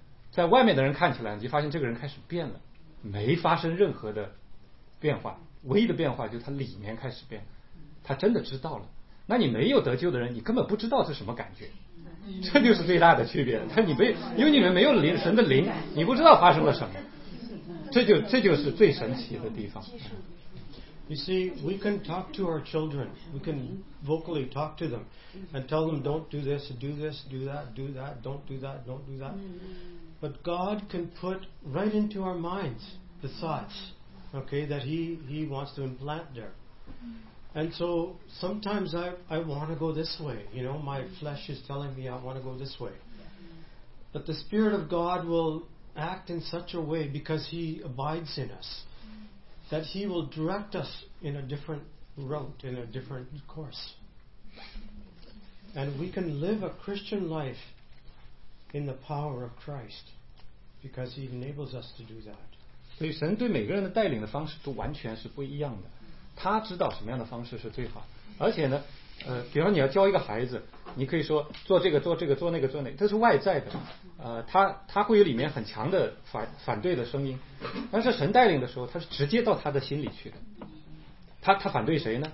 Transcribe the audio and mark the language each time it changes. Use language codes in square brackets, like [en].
[zh] 在外面的人看起来，你就发现这个人开始变了，没发生任何的变化，唯一的变化就是他里面开始变，他真的知道了。那你没有得救的人，你根本不知道是什么感觉，这就是最大的区别。他你没，因为你们没有灵神的灵，你不知道发生了什么，这就是最神奇的地方。 [en] You see, we can talk to our children. We can vocally talk to them and tell them, don't do this, do this, do that, do that, don't do that, don't do that. But God can put right into our minds the thoughts, okay, that he wants to implant there. And so sometimes I want to go this way. You know, my flesh is telling me I want to go this way. But the Spirit of God will act in such a way because he abides in us. That he will direct us in a different route, in a different course. And we can live a Christian life in the power of Christ because he enables us to do that. [zh] 所以神对每个人的带领的方式都完全是不一样的。他知道什么样的方式是最好。而且呢，比方你要教一个孩子，你可以说做这个做这个做那个做那个，这是外在的，他会有里面很强的反对的声音。但是神带领的时候，他是直接到他的心里去的。他反对谁呢？